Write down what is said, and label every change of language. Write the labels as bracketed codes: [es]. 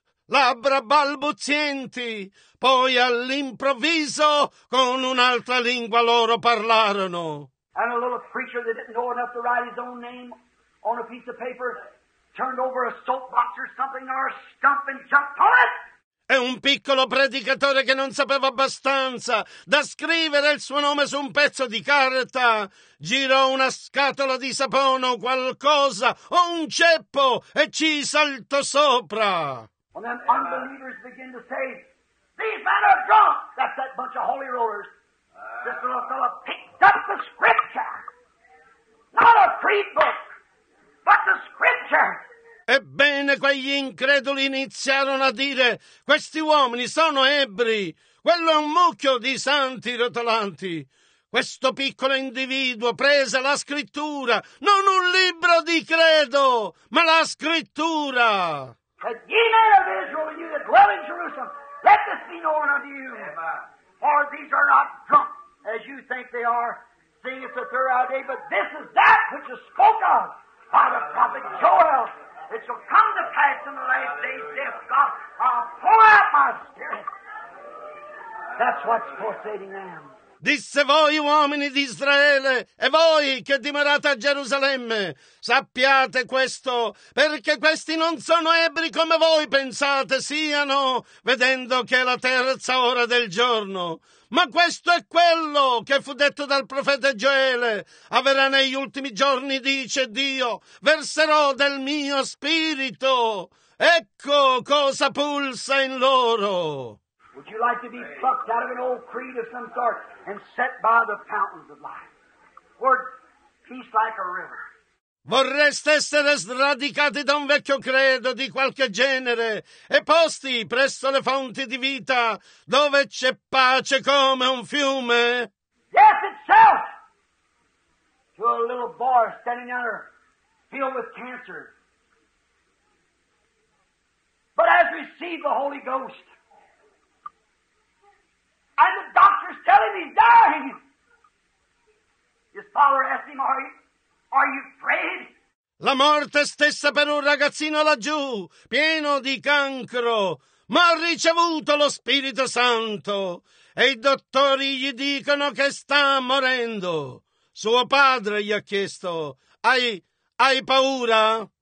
[it] Labbra balbuzienti, poi all'improvviso con un'altra lingua loro parlarono. [en] And a little preacher that didn't know enough to write his own name on a piece of paper turned over a soapbox or something or a stump and jumped on it. [it] E un piccolo predicatore che non sapeva abbastanza da scrivere il suo nome su un pezzo di carta girò una scatola di sapone o qualcosa o un ceppo e ci saltò sopra. [en] And then unbelievers begin to say, these men are drunk. That's that bunch of holy rollers. This little fellow picked up the scripture. Not a creed book, but the scripture. [it] Ebbene, quegli increduli iniziarono a dire, questi uomini sono ebri. Quello è un mucchio di santi rotolanti. Questo piccolo individuo prese la scrittura, non un libro di credo, ma la scrittura. [en] But ye men of Israel, you that dwell in Jerusalem, let this be known unto you. Amen. For these are not drunk as you think they are, seeing it's the third hour of day, but this is that which is spoke of by the prophet Joel. It shall come to pass in the last days, saith God, I'll pour out my spirit. That's what's forsaking them. [it] Disse voi uomini di Israele e voi che dimorate a Gerusalemme, sappiate questo, perché questi non sono ebri come voi pensate siano, vedendo che è la terza ora del giorno. Ma questo è quello che fu detto dal profeta Gioele. Avverrà negli ultimi giorni, dice Dio, verserò del mio spirito. Ecco cosa pulsa in loro. [en] Would you like to be plucked out of an old creed of some sort and set by the fountains of life? Or peace like a river? [it] Vorreste essere sradicati da un vecchio credo di qualche genere e posti presso le fonti di vita dove c'è pace come un fiume? [en] Death itself! To a little boy standing out there filled with cancer. But as we see the Holy Ghost, and the doctor's telling him he's dying. His father asked him, are you afraid? [it] La morte stessa per un ragazzino laggiù, pieno di cancro, ma ha ricevuto lo Spirito Santo. E i dottori gli dicono che sta morendo. Suo padre gli ha chiesto, hai paura?